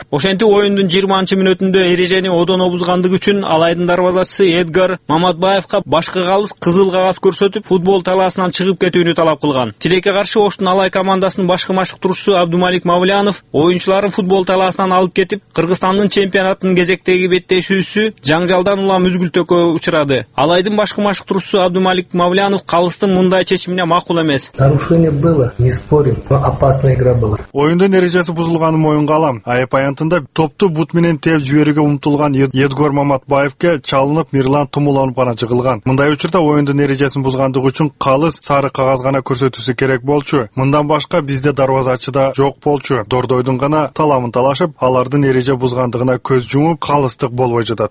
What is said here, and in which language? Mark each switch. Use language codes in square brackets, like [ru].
[ky] Ошентип оюндун 20-мүнөтүндө эрежени одоно бузгандыгы үчүн Алайдын дарбазачысы Эдгар Мамадбаевга башкы калыс кызыл кагаз көрсөтүп футбол талаасынан чыгып кетүүнү талап кылган. Тилекке каршы Оштун Алай командасынын башкы маштыкчусу Абдумалик Мавлянов оюнчуларын футбол талаасынан алып кетип Кыргызстандын чемпионатынын кезек теги беттешүүсү жаңжалдан улам үзгүлтөккө учурады. Алайдын башкы маштыкчусу Абдумалик Мавлянов калыстын мындай чечимине макул эмес. [ru] Нарушение было, не спорим, но опасная игра была. [ky] Оюндун эрежеси бузулганын моюнга алам. Айып аянтында топту бут менен теп жиберүүгө умтулган Эдгор Маматбаевке чалынып Мирлан Тумуланов гана жыгылган. Мындай учурда оюндун эрежесин бузгандыгы үчүн калыс сары кагаз гана көрсөтүүсү керек болчу. Мындан башка бизде дарбазачы да жок болчу. Дордойдун гана таламын талашып алардын эреже бузгандыгына көз жумуп калыстык болбой жатат.